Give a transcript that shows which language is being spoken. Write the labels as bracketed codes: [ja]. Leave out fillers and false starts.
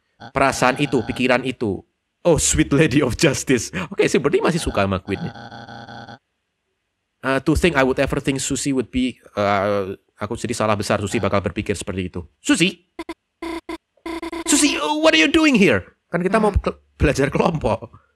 [id] Perasaan itu, pikiran itu. [en] Oh, sweet lady of justice. [id] Oke, okay, sebenarnya masih suka sama Queen-nya. [en] To think I would ever think Susie would be... [id] aku jadi salah besar, Susie bakal berpikir seperti itu. Susie? [en] Susie, what are you doing here? [id] Kan kita mau belajar kelompok.